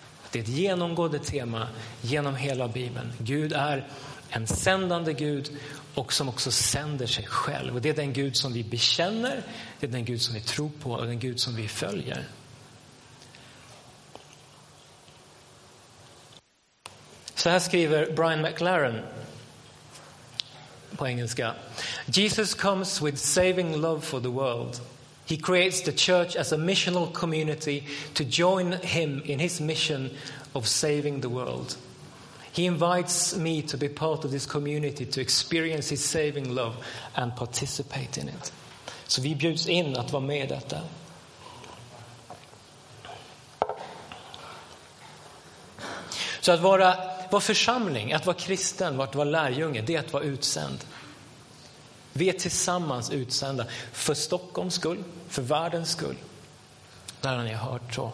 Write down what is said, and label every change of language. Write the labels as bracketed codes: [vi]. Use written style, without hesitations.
[sv] Det är ett genomgående tema genom hela Bibeln. Gud är en sändande Gud och som också sänder sig själv. Och det är den Gud som vi bekänner, det är den Gud som vi tror på och den Gud som vi följer. Så här skriver Brian McLaren på engelska. [en] Jesus comes with saving love for the world. He creates the church as a missional community to join him in his mission of saving the world. He invites me to be part of this community to experience his saving love and participate in it. [sv] Så vi bjuds in att vara med i detta. Så att vara församling, att vara kristen, att vara lärjunge, det är att vara utsänd. Vi är tillsammans utsända för Stockholms skull, för världens skull. Det har ni hört så.